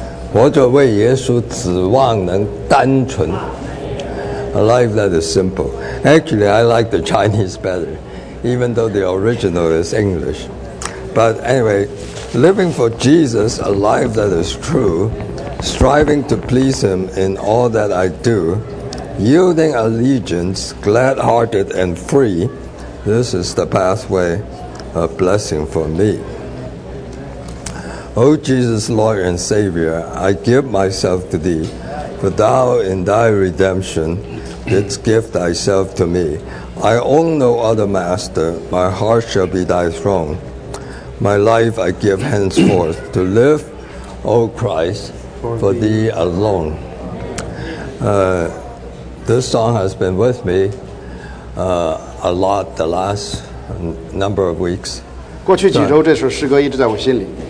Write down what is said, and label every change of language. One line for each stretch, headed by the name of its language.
Chinese: 活着为耶稣，指望能单纯。
English: A life that is simple. Actually, I like the Chinese better, even though the original is English. But anyway, living for Jesus, a life that is true, striving to please Him in all that I do, yielding allegiance, glad-hearted and free, this is the pathway of blessing for me. O Jesus, Lord and Savior, I give myself to Thee, for Thou in Thy redemption,Didst give thyself to me. I own no other master. My heart shall be thy throne. My life I give henceforth to live, O Christ, for thee alone. This song has been with me a lot the last number of weeks.
Chinese: 过去几周这首诗歌一直在我心里。